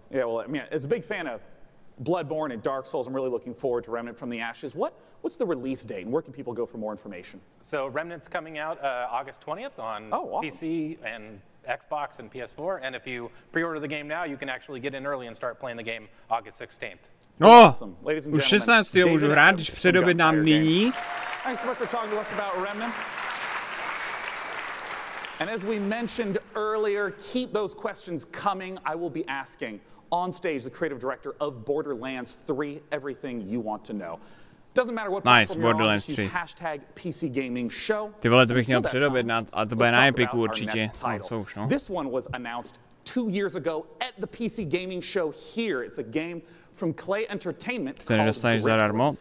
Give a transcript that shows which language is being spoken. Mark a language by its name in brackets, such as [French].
[English] Yeah, well, I mean, as a big fan of Bloodborne and Dark Souls, I'm really looking forward to Remnant from the Ashes. What's the release date, and where can people go for more information? So Remnant's coming out August 20th on PC and Xbox and PS4, and if you pre-order the game now, you can actually get in early and start playing the game August 16th. Oh, awesome. Ladies and gentlemen, 16. [Czech] můžu hrát, když předobědnám nyní. [English] Thanks so much for talking to us about Remnant. And as we mentioned earlier, keep those questions coming. I will be asking on stage the creative director of Borderlands 3 everything you want to know. Doesn't matter what platform you're on, just use hashtag PCGamingShow. [Czech] Ty vole, to bych měl předobědnat, a to bude na Epiku určitě. No, už, no. [English] This one was announced 2 years ago at the PC Gaming Show here. It's a game from Clay Entertainment called Riftlands.